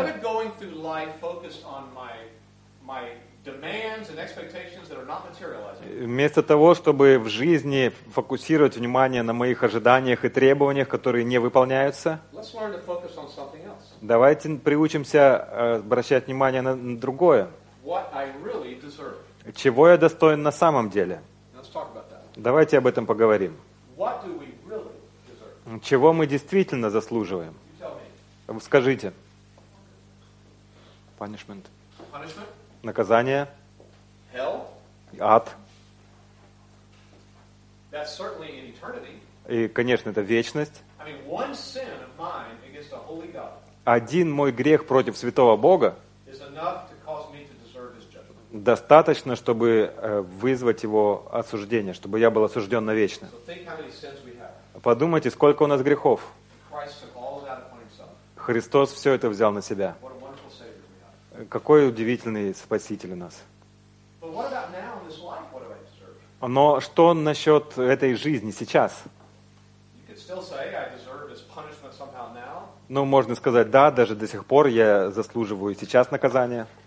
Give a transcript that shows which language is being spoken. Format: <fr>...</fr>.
<en>Instead of going through life focused on my demands and expectations that are not materializing.</en> <ru>Вместо того, чтобы в жизни фокусировать внимание на моих ожиданиях и требованиях, которые не выполняются,</ru> <en>let's learn to focus on something else.</en> <ru>Давайте приучимся обращать внимание на другое.</ru> <en>What I really deserve.</en> <ru>Чего я достоин на самом деле? Давайте об этом поговорим.</ru> <en>Really</en> <ru>чего мы действительно заслуживаем? Скажите.</ru> <en>Punishment. Punishment?</en> <ru>Наказание.</ru> <en>Hell?</en> <ru>Ад.</ru> <en>That's certainly an eternity.</en> <ru>И, конечно, это вечность.</ru> <en>I mean, one sin of mine against a holy God.</en> <ru>Один мой грех против святого Бога</ru> <en>is enough to cause me to deserve his judgment.</en> <ru>Достаточно, чтобы вызвать его осуждение, чтобы я был осужден навечно.</ru> <en>So think how many sins we have.</en> <ru>Подумайте, сколько у нас грехов.</ru> <en>Christ took all of that upon himself.</en> <ru>Христос все это взял на себя.</ru> <en>What a wonderful Savior we have.</en> <ru>Какой удивительный Спаситель у нас.</ru> <en>But what about now in this life? What do I deserve?</en> <ru>Но что насчет этой жизни сейчас?</ru> <en>You could still say, I deserve this punishment somehow now.</en> <ru>Ну, можно сказать, да, даже до сих пор я заслуживаю сейчас наказания.</ru>